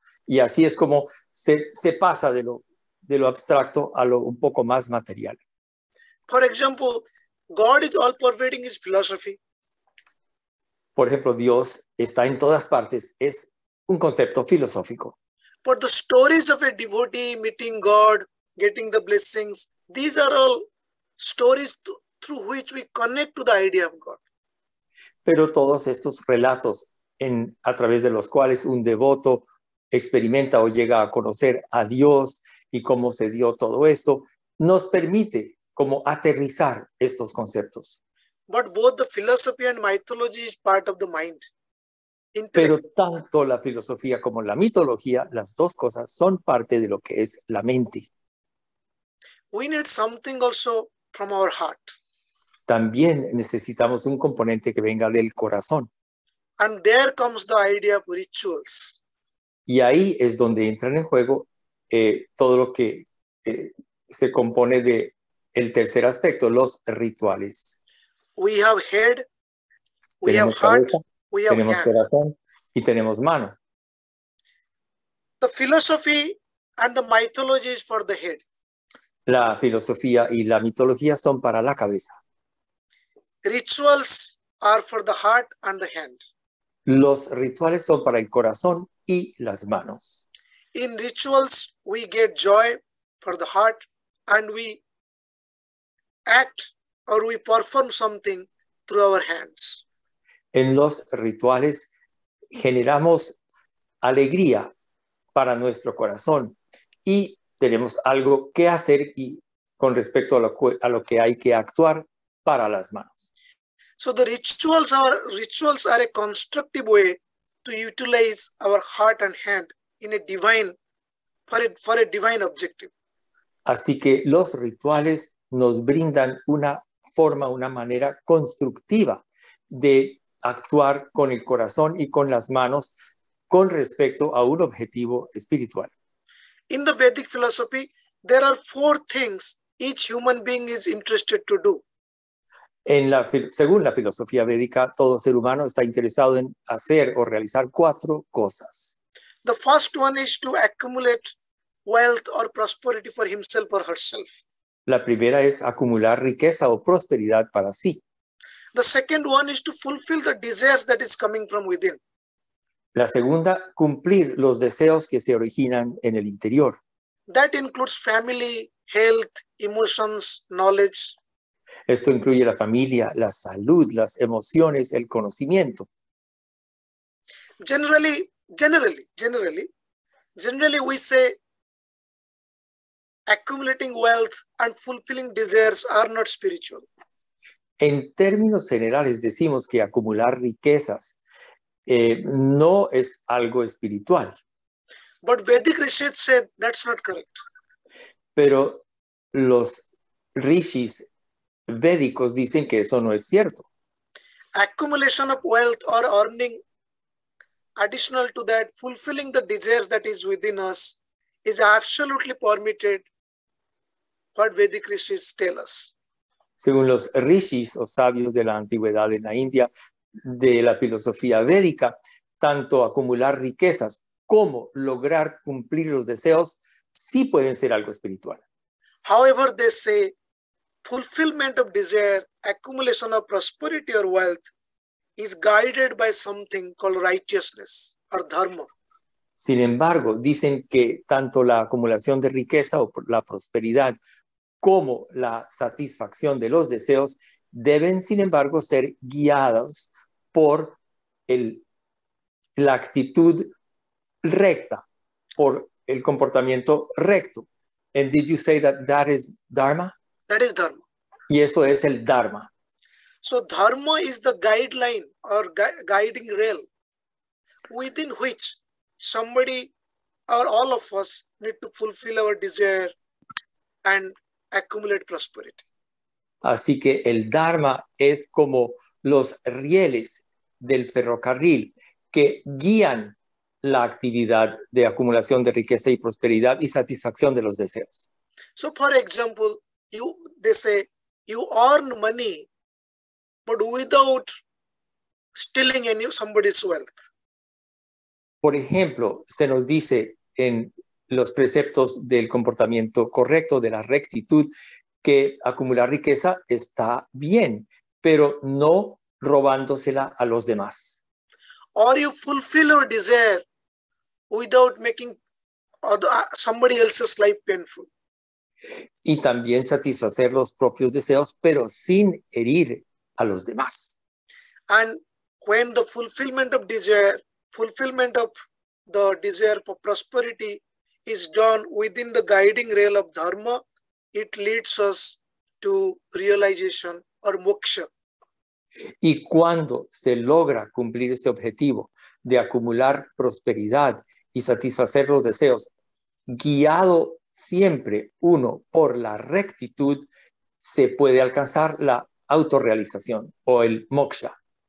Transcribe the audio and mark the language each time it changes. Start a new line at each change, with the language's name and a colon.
Spanish: Y así es como se pasa de lo abstracto a lo un poco más material.
English: For example, God is all pervading his philosophy.
Spanish: Por ejemplo, Dios está en todas partes, es un concepto filosófico.
English: But the stories of a devotee meeting God, getting the blessings, these are all stories through which we connect to the idea of God.
Spanish: Pero todos estos relatos a través de los cuales un devoto experimenta o llega a conocer a Dios y cómo se dio todo esto, nos permite como aterrizar estos conceptos.
English: But both the philosophy and mythology is part of the mind.
Spanish: Pero tanto la filosofía como la mitología, las dos cosas son parte de lo que es la mente.
English: We need something also from our heart.
Spanish: También necesitamos un componente que venga del corazón.
English: And there comes the idea of rituals.
Spanish: Y ahí es donde entran en juego todo lo que se compone de el tercer aspecto, los rituales.
English: We have head, we
Spanish: tenemos
English: have
Spanish: cabeza,
English: heart, we have
Spanish: tenemos
English: hand.
Spanish: Corazón y tenemos mano.
English: The philosophy and the mythology is for the head.
Spanish: La filosofía y la mitología son para la cabeza.
English: Rituals are for the heart and the hand.
Spanish: Los rituales son para el corazón y las manos.
English: In rituals, we get joy for the heart and we act or we perform something through our hands.
Spanish: En los rituales generamos alegría para nuestro corazón y tenemos algo que hacer y con respecto a lo que hay que actuar para las manos.
English: So the rituals are a constructive way to utilize our heart and hand in a divine for a divine objective.
Spanish: Así que los rituales nos brindan una forma, una manera constructiva de actuar con el corazón y con las manos con respecto a un objetivo espiritual.
English: In the Vedic philosophy, there are four things each human being is interested to do.
Spanish: Según la filosofía védica, todo ser humano está interesado en hacer o realizar cuatro cosas.
English: The first one is to accumulate wealth or prosperity for himself or herself.
Spanish: La primera es acumular riqueza o prosperidad para sí.
English: The second one is to fulfill the desires that is coming from within.
Spanish: La segunda, cumplir los deseos que se originan en el interior.
English: That includes family, health, emotions, knowledge.
Spanish: Esto incluye la familia, la salud, las emociones, el conocimiento.
English: Generally we say accumulating wealth and fulfilling desires are not spiritual.
Spanish: En términos generales decimos que acumular riquezas no es algo espiritual.
English: But Vedic rishis said that's not correct.
Spanish: Pero los rishis védicos dicen que eso no es cierto.
English: Accumulation of wealth or earning additional to that, fulfilling the desires that is within us, is absolutely permitted what Vedic rishis tell us.
Spanish: Según los rishis o sabios de la antigüedad en la India, de la filosofía védica, tanto acumular riquezas como lograr cumplir los deseos sí pueden ser algo espiritual.
English: However, they say fulfillment of desire, accumulation of prosperity or wealth is guided by something called righteousness or dharma.
Spanish: Sin embargo, dicen que tanto la acumulación de riqueza o la prosperidad como la satisfacción de los deseos deben, sin embargo, ser guiados por la actitud recta, por el comportamiento recto.
English: And did you say that that is dharma? That is dharma.
Spanish: Y eso es el dharma.
English: So dharma is the guideline or guiding rail within which somebody or all of us need to fulfill our desire and accumulate prosperity.
Spanish: Así que el dharma es como los rieles del ferrocarril que guían la actividad de acumulación de riqueza y prosperidad y satisfacción de los deseos.
English: So for example, they say you earn money but without stealing somebody's wealth.
Spanish: Por ejemplo, se nos dice en los preceptos del comportamiento correcto, de la rectitud, que acumular riqueza está bien, pero no robándosela a los demás.
English: Or you fulfill your desire without making somebody else's life painful.
Spanish: Y también satisfacer los propios deseos, pero sin herir a los demás.
English: And when the fulfillment of the desire for prosperity is done within the guiding rail of dharma, it leads us to realization or moksha.
Spanish: Y cuando se logra cumplir ese objetivo de acumular prosperidad y satisfacer los deseos, guiado siempre uno por la rectitud, se puede alcanzar la autorrealización o el moksha.